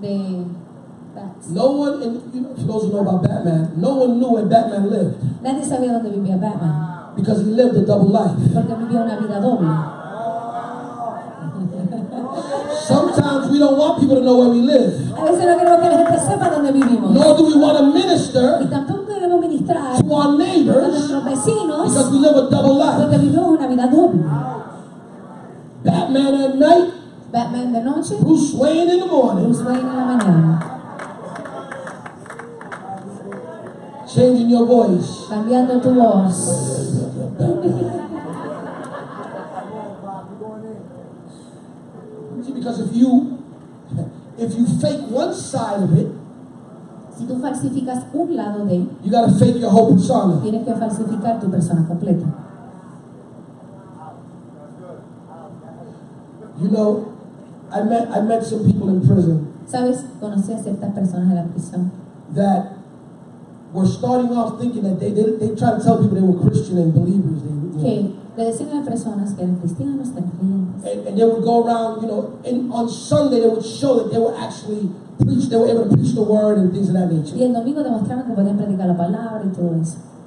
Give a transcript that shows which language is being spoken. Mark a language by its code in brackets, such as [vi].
[es] De [en] no one, in, you know, for those who know about Batman, no one knew where Batman lived. [es] Nadie sabía dónde vivía Batman. [en] Because he lived a double life. [es] Porque vivía una vida doble. [en] Sometimes we don't want people to know where we live. [es] A veces no queremos que la gente sepa dónde vivimos. [en] Nor do we want to minister [es] y tampoco queremos ministrar [en] to our neighbors [es] a nuestros vecinos [en] because we live a double life. [es] Porque vivimos una vida doble. [en] Batman at night. [es] Batman de noche. [en] Bruce Wayne in the morning. [es] Bruce Wayne en la mañana. [en] Changing your voice. [es] Cambiando tu voz. [en] See, because if you fake one side of it, [es] si tú falsificas un lado de, [en] you gotta fake your whole persona. [es] Tienes que falsificar tu persona completa. [en] You know, I met some people in prison. [es] Sabes, conocí a ciertas personas en la prisión. [en] That were starting off thinking that they try to tell people they were Christian and believers. They, and they would go around, you know, and on Sunday they would show that they were actually preach. They were able to preach the word and things of that nature. [es] Y el domingo demostraban que podían predicar la palabra y todo eso.